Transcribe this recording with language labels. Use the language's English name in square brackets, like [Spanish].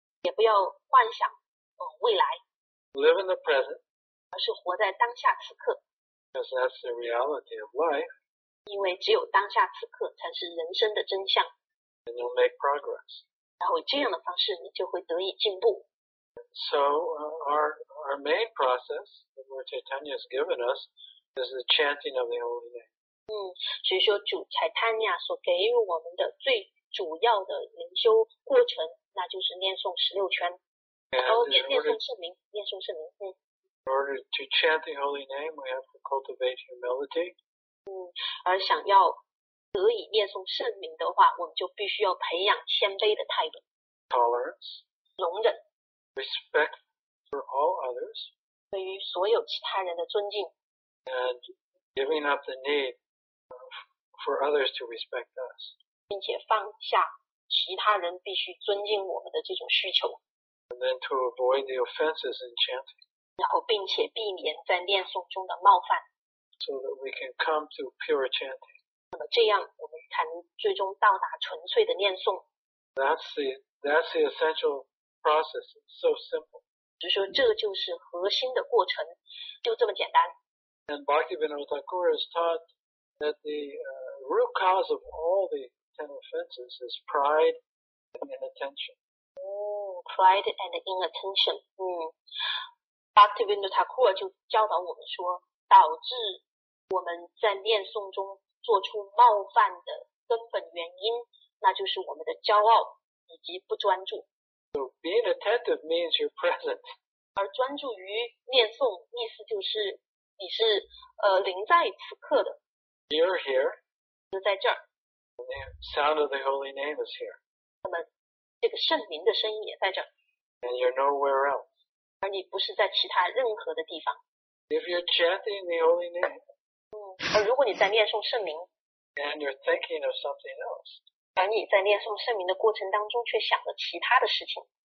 [Chinese] 也不要幻想，未来。 [English] Live in the present. [Chinese] 而是活在当下此刻。 [English] Because that's the reality of life. [Chinese] 因为只有当下此刻才是人生的真相。 [English] And you'll make progress. [Chinese] 然后这样的方式你就会得以进步。 [English] So our main process that Lord Chaitanya has given us is the chanting of the holy name. [Chinese] 所以说主 Chaitanya 所给予我们的最主要的灵修过程，那就是念诵十六圈，念诵圣名。 [English] In order to chant the holy name, we have to cultivate humility. [Chinese] 而想要得以念诵圣名的话，我们就必须要培养谦卑的态度。 [English] Tolerance, [Chinese] 容忍。 [English] Respect for all others, [Chinese] 对于所有其他人的尊敬。 [English] And giving up the need for others to respect us, [Chinese] 并且放下其他人必须尊敬我们的这种需求。 [English] And then to avoid the offenses in chanting, [Chinese] 然后并且避免在念诵中的冒犯。 [English] So that we can come to pure chanting. [Chinese] 那么这样我们才能最终到达纯粹的念诵。 [English] That's the essential process. It's so simple. [Chinese] 就是说这就是核心的过程，就这么简单。 [English] And Bhaktivinoda Thakur has taught that the root cause of all the ten offenses is pride and inattention. Pride and inattention. [Chinese] Bhaktivinoda Thakur 就教导我们说，导致我们在念诵中做出冒犯的根本原因，那就是我们的骄傲以及不专注。 [English] So being attentive means you're present. [Chinese] 而专注于念诵，意思就是你是临在此刻的。 [English] You're here. [Chinese] 就在这儿。 [English] The sound of the holy name is here. [Chinese] 那么这个圣名的声音也在这儿。 [English] And you're nowhere else. [Chinese] 而你不是在其他任何的地方。 [English] If you're chanting the holy name. [Chinese] 而如果你在念诵圣名， [English] and you're thinking of something else, [Chinese] 而你在念诵圣名的过程当中却想了其他的事情，